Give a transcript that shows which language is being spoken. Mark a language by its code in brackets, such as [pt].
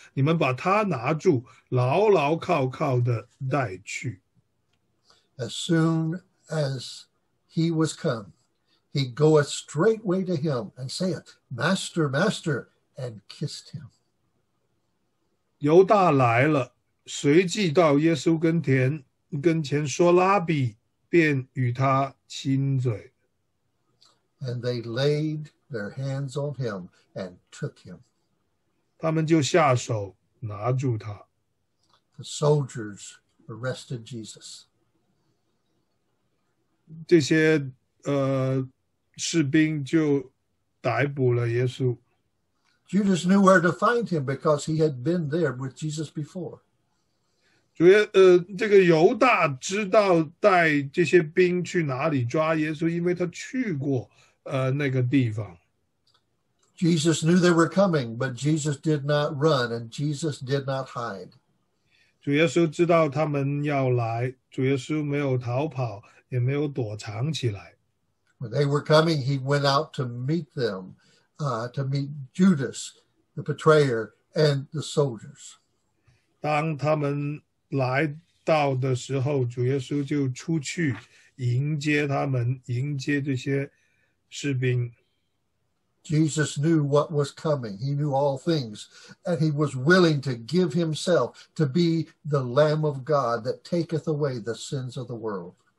[zh] 你们把他拿住，牢牢靠靠的带去。” [en] As soon as he was come, he goeth straightway to him and saith, "Master, Master," and kissed him. [zh] 犹大来了，随即到耶稣跟前说拉比，便与他亲嘴。 [en] And they laid their hands on him and took him. [zh] 他们就下手拿住他。 [en] The soldiers arrested Jesus. [zh] 这些士兵就逮捕了耶稣。 [en] Judas knew where to find him because he had been there with Jesus before. [zh] 这个犹大知道带这些兵去哪里抓耶稣，因为他去过那个地方。 [en] Jesus knew they were coming, but Jesus did not run and Jesus did not hide. [zh] 主耶稣知道他们要来，主耶稣没有逃跑，也没有躲藏起来。 [en] When they were coming, he went out to meet them. To meet Judas, the betrayer, and the soldiers. [zh] 当他们来到的时候，主耶稣就出去迎接他们，迎接这些士兵。 [en] Jesus knew what was coming. He knew all things, and he was willing to give himself to be the Lamb of God that taketh away the sins of the world.